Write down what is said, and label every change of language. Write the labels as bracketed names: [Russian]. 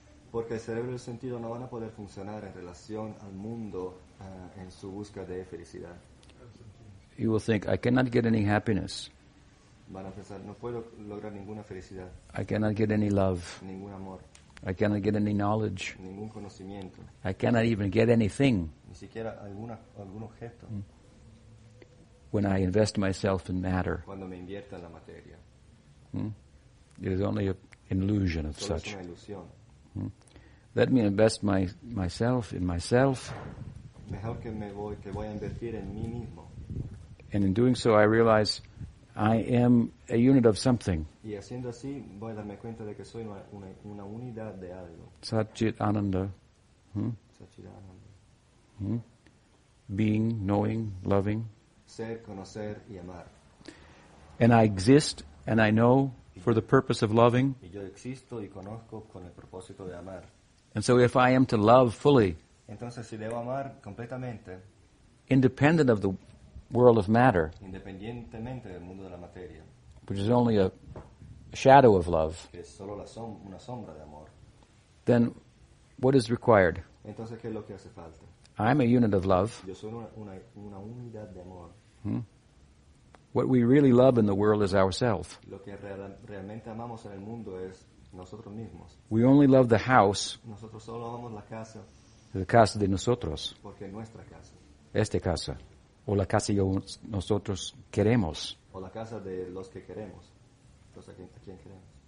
[Spanish] Porque el cerebro y el sentido no van a poder funcionar en relación al mundo en su búsqueda de felicidad. [English] You will think, I cannot get any happiness. [Spanish] Van a pensar, no puedo lograr ninguna felicidad. [English] I cannot get any love. [Spanish] Ningún amor. [English] I cannot get any knowledge. [Spanish] Ningún conocimiento. [English] I cannot even get anything. [Spanish] Ni siquiera alguna, algún objeto. [English] When I invest myself in matter. [Spanish] Cuando me invierto en la materia. [English] It is only an illusion of [Spanish] solo [English] such. [Spanish] Es una ilusión. [English] Let me invest myself in myself. [Spanish] Mejor que me voy, que voy a invertir en mí mismo. [English] And in doing so I realize I am a unit of something. [Spanish] Y haciendo así, voy a darme cuenta de que soy una unidad de algo. [Sanskrit] Sat-chit ananda. Sat-chit ananda. [English] Being, knowing, loving. [Spanish] Ser, conocer y amar. [English] And I exist and I know for the purpose of loving. [Spanish] Y yo existo y conozco con el propósito de amar. [English] And so if I am to love fully, [Spanish] entonces si debo amar completamente, [English] independent of the world of matter, [Spanish] independientemente del mundo de la materia, [English] which is only a shadow of love, [Spanish] que es solo una sombra de amor, [English] then What is required? [Spanish] Entonces, ¿qué es lo que hace falta? [English] I'm a unit of love. [Spanish] Yo soy una unidad de amor. [English] What we really love in the world is ourselves. [Spanish] Lo que realmente amamos en el mundo es nosotros mismos. [English] We only love the house. [Spanish] Nosotros solo amamos la casa. La casa de nosotros. Porque nuestra casa. Esta casa. O la casa que nosotros queremos. O la casa de los que queremos. Los a quien queremos.